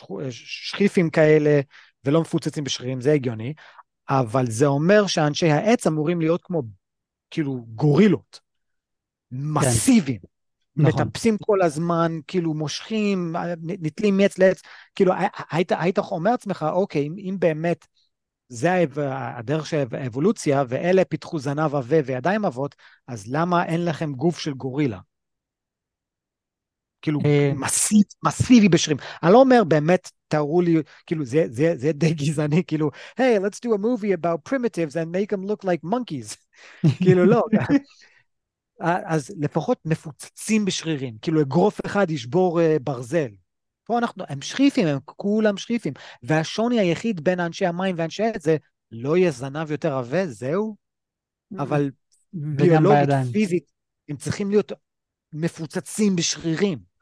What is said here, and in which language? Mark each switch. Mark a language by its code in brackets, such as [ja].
[he] שחיפים כאלה ולא מפוצצים בשרירים, זה הגיוני, אבל זה אומר שאנשי העץ אמורים להיות כמו, כאילו, גורילות, מסיביים, מטפסים כל הזמן, כאילו, מושכים, נטלים מעץ לעץ, כאילו, היית אומר עצמך, אוקיי, אם באמת זה הדרך של האבולוציה, ואלה פיתחו זנב עבה וידיים עבות, אז למה אין לכם גוף של גורילה? כאילו, מסיבי בשרים. אני לא אומר, באמת, תראו לי, כאילו, זה די גזעני, כאילו, [en] hey, let's do a movie about primitives and make them look like monkeys. [he] כאילו, לא. אז לפחות מפוצצים בשרירים. כאילו, אגרוף אחד ישבור ברזל. פה אנחנו, הם שחיפים, הם כולם שחיפים. והשוני היחיד בין אנשי המים ואנשי עץ זה, לא יהיה זנב יותר עבה, זהו. אבל ביולוגית, פיזית, הם צריכים להיות מפוצצים בשרירים.